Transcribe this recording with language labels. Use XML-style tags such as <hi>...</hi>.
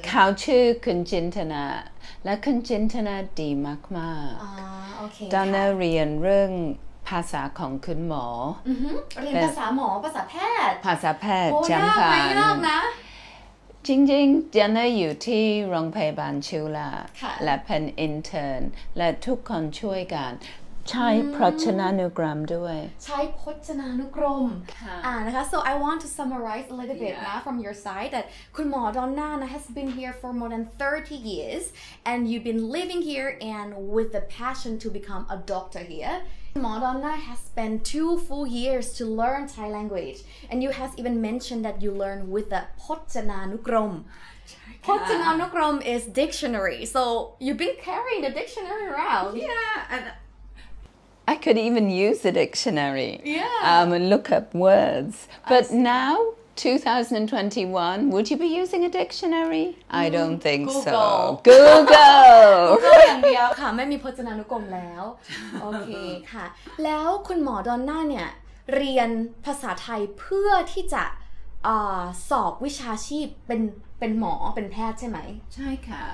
<th>เขาชื่อคุณจินตนาและคุณจินตนาดีมากมากดอนน่าเรียนเรื่องภาษาของคุณหมอ เรียนภาษาหมอภาษาแพทย์ ภาษาแพทย์ จังหวะไม่ยากนะ จริงๆดอนน่าอยู่ที่โรงพยาบาลชิวลาและเป็นอินเทิร์นและทุกคนช่วยกันใช้พจนานุกรมด้วย ใช้พจนานุกรมนะคะ</th> <en>so I want to summarize a little bit now from your side that คุณหมอดอนน่า has been here for more than 30 years and you've been living here and with the passion to become a doctor hereMadonna has spent 2 full years to learn Thai language, and you has even mentioned that you learn with the Pochananukrom. Pochananukrom is dictionary, so you've been carrying the dictionary around. Yeah, I could even use the dictionary. Yeah, and look up words. But now, 2021, would you be using a dictionary? I don't think Google.</en> <th>Google อย่างเดียวค่ะไม่มีพจนานุกรมแล้วโอเคค่ะแล้วคุณหมอดอนน่าเนี่ยเรียนภาษาไทยเพื่อที่จะสอบวิชาชีพเป็นหมอเป็นแพทย์ใช่ไหม ใช่ค่ะ</th>